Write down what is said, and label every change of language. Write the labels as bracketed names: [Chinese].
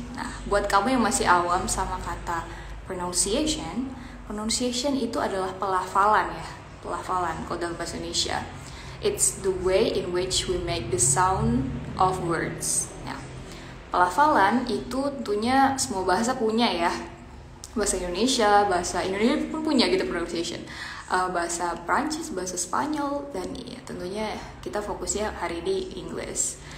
[Indonesian] Nah, buat kamu yang masih awam sama kata pronunciation, pronunciation itu adalah pelafalan ya, pelafalan kalau dalam bahasa Indonesia. [English] It's the way in which we make the sound of words. [Indonesian] Nah, pelafalan itu tentunya semua bahasa punya ya. Bahasa Indonesia pun punya gitu pronunciation. Bahasa Prancis, bahasa Spanyol, dan ya, tentunya kita fokusnya hari ini English.